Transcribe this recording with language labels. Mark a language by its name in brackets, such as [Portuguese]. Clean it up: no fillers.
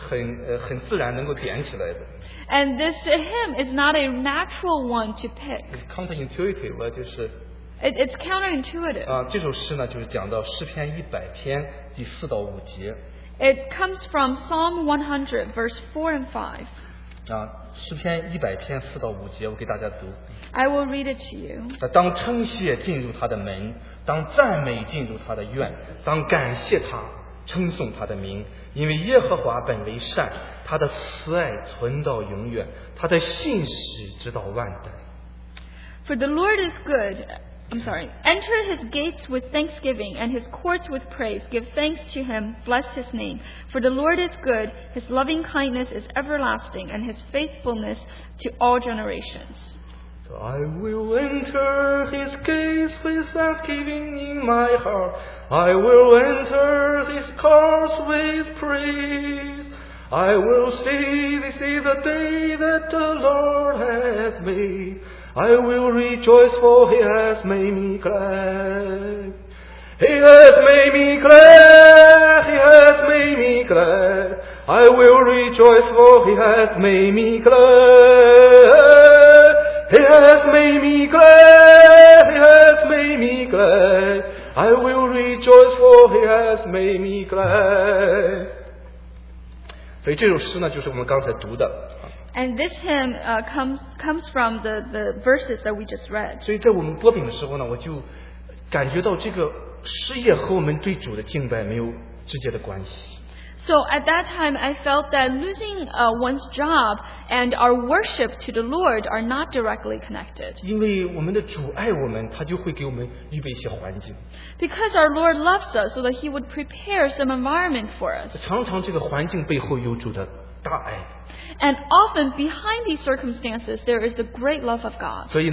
[Chinese] 有点那个这个歌不见得是很自然能够点起来的。 [English] And this hymn is not a natural one to pick. It's counterintuitive. It's counterintuitive. [Chinese] 这首诗呢，就是讲到诗篇100篇第4到5节。 [English] It comes from Psalm 100, verse 4 and 5. [Chinese] 诗篇100篇4到5节，我给大家读。 [English] I will read it to you. [Chinese] 当称谢进入他的门，当赞美进入他的院，当感谢他。称颂他的名，因为耶和华本为善，他的慈爱存到永远，他的信实直到万代。 [English] For the Lord is good. I'm sorry. Enter his gates with thanksgiving and his courts with praise. Give thanks to him, bless his name. For the Lord is good; his loving kindness is everlasting, and his faithfulness to all generations. I will enter his gates with thanksgiving in my heart. I will enter his courts with praise. I will say this is the day that the Lord has made. I will rejoice for he has made me glad. He has made me glad. He has made me glad. I will rejoice for he has made me glad. He has made me glad. He has made me glad. I will rejoice for he has made me glad. [Chinese] 所以这首诗呢，就是我们刚才读的。 [English] And this hymn comes from the verses that we just read. [Chinese] 所以在我们剥饼的时候呢，我就感觉到这个失业和我们对主的敬拜没有直接的关系。 [English] So at that time, I felt that losing one's job and our worship to the Lord are not directly connected. [Chinese] 因为我们的主爱我们，他就会给我们预备一些环境。 [English] Because our Lord loves us, so that He would prepare some environment for us. [Chinese] 常常这个环境背后有主的大爱。 [English] And often behind these circumstances, there is the great love of God.